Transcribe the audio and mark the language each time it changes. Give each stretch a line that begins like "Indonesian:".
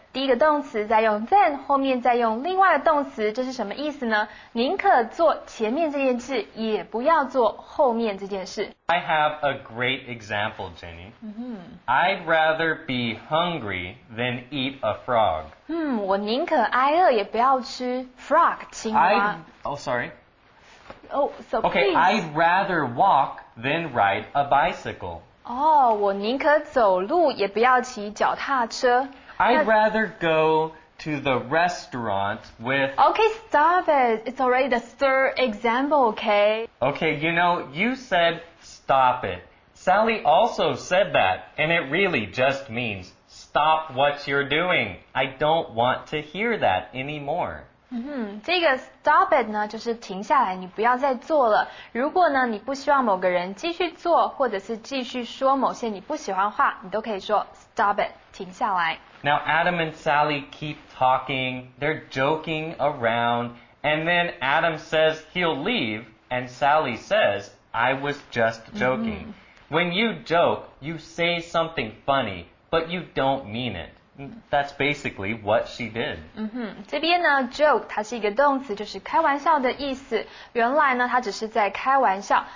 Chinese: 第一个动词再用 than， 后面再用另外的动词，这是什么意思呢？宁可做前面这件事，也不要做后面这件事。
English: I have a great example, Jenny. I'd rather be hungry than eat a frog.
Chinese: 我宁可挨饿，也不要吃 frog 青蛙。
English: I'd rather walk than ride a bicycle.
Chinese: 我宁可走路，也不要骑脚踏车。
English: I'd rather go to the restaurant with... Okay, stop it. It's already the third example, okay? Okay, you know, you said stop it. Sally also said that, and it really just means stop what you're doing. I don't want to hear that anymore.
Chinese: 这个
English: stop it
Chinese: 呢，就是停下来，你不要再做了。如果呢，你不希望某个人继续做，或者是继续说某些你不喜欢话，你都可以说
English: stop it，
Chinese: 停下来。
English: Now Adam and Sally keep talking, they're joking around, and then Adam says he'll leave, and Sally says, I was just joking. When you joke, you say something funny, but you don't mean it. That's basically what she did.
Chinese: 这边呢 joke 它是一个动词，就是开玩笑的意思。原来呢它只是在开玩笑。